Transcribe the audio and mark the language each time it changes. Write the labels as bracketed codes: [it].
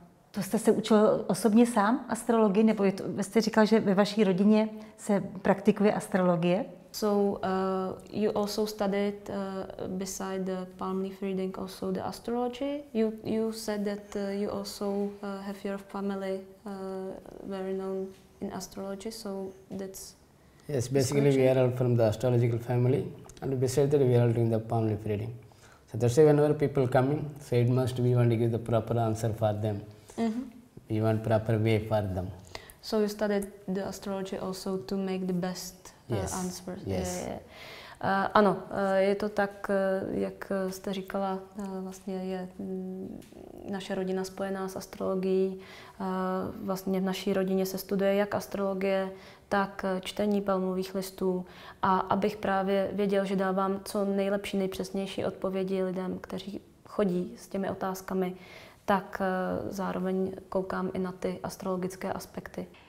[cs] To jste se učil osobně sám, astrologii, nebo jste říkal, že ve vaší rodině se praktikuje astrologie? [en] So you also studied beside the palm leaf reading also the astrology. You said that you also have your family very known in astrology, so that's... Yes, basically we are all from the astrological family. And besides that, we are all doing the palm leaf reading. So that's why whenever people come in, so it must be, we want to give the proper answer for them. We want proper way for them. So you studied the astrology also to make the best answers. Yes. Yeah, yeah. [cs] Ano, je to tak, jak jste říkala, vlastně je naše rodina spojená s astrologií. Vlastně v naší rodině se studuje jak astrologie, tak čtení palmových listů. A abych právě věděl, že dávám co nejlepší, nejpřesnější odpovědi lidem, kteří chodí s těmi otázkami, tak zároveň koukám i na ty astrologické aspekty.